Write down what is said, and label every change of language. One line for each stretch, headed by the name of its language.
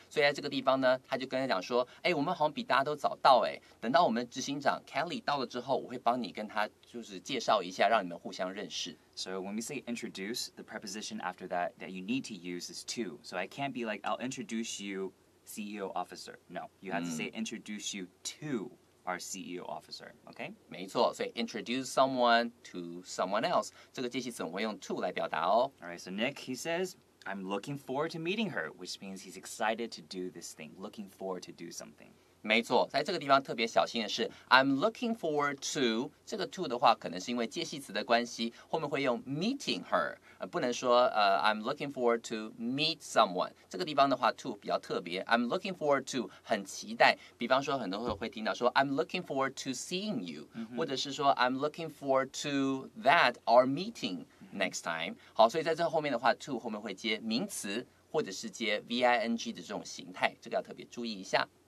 Chinese: 所以在这个地方呢，他就跟他讲说，哎，我们好像比大家都早到，哎，等到我们执行长 Kelly 到了之后，我会帮你跟他就是介绍一下，让你们互相认识。
English: So when we say introduce, the preposition after that that you need to use is to. So I can't be like, I'll introduce you, CEO officer. No, you have to say introduce you to. Our CEO officer, okay?
Chinese: 没错，所以
English: introduce someone to someone else.
Chinese: 这个介系词我会用 to 来表达哦。
English: Alright, so Nick, he says, I'm looking forward to meeting her, which means he's excited to do this thing, looking forward to do something.
Chinese: 没错，在这个地方特别小心的是
English: I'm looking forward to,
Chinese: 这个 to 的话可能是因为介系词的关系，后面会用
English: meeting her,
Chinese: 不能说
English: I'm looking forward to meet someone.
Chinese: 这个地方的话 to 比较特别
English: I'm looking forward to
Chinese: 很期待，比方说很多人会听到说
English: I'm looking forward to seeing you,、
Chinese: mm-hmm. 或者是说
English: I'm looking forward to that our meeting next time.
Chinese: 好，所以在这后面的话 to 后面会接名词或者是接 ving 的这种形态，这个要特别注意一下。